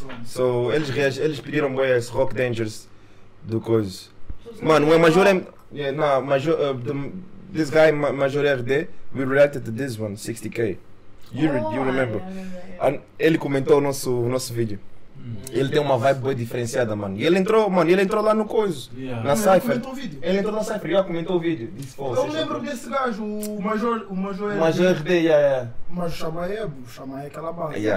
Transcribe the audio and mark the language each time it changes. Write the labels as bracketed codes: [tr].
[pt] So, eles pediram bem esse Rock Dangerous do coisa. Mano, o Major M... [en] Yeah, nah, Major, this guy, Major RD, we reacted to this one, 60k. You remember. Yeah. [pt] Ele comentou o nosso vídeo. Ele tem uma vibe bem diferenciada, mano. E ele entrou lá no coisa, na Cypher. Ele entrou na Cypher, já comentou o vídeo. Eu lembro desse gajo, o Major. Major RD, Mas o Xamã é aquela barra.